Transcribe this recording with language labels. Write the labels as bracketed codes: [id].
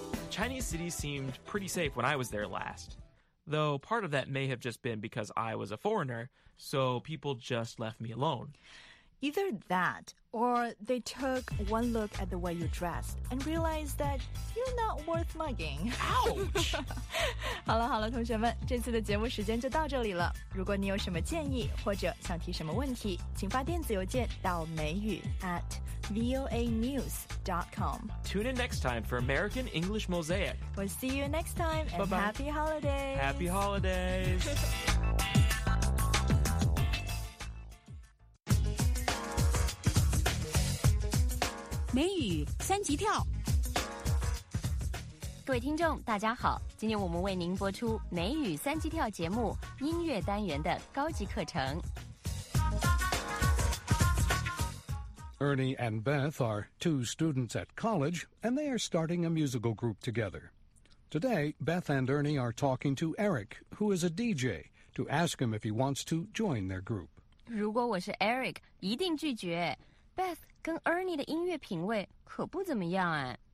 [en] Chinese cities seemed pretty safe when I was there last, though part of that may have just been because I was a foreigner, so people just left me alone. Either that, or they took one look at the way you dressed and realized that you're not worth mugging. Ouch! [zh] 好了好了，同学们，这次的节目时间就到这里了。如果你有什么建议或者想提什么问题，请发电子邮件到美语 @voanews.com. [en] Tune in next time for American English Mosaic. We'll see you next time and Bye-bye. Happy holidays. Happy holidays. [zh] 美语三级跳。各位听众大家好，今天我们为您播出美语三级跳节目音乐单元的高级课程。 [en] Ernie and Beth are two students at college, and they are starting a musical group together. Today, Beth and Ernie are talking to Eric, who is a DJ, to ask him if he wants to join their group. [zh] 如果我是 Eric, 一定拒绝。Beth 跟 Ernie 的音乐品味可不怎么样啊。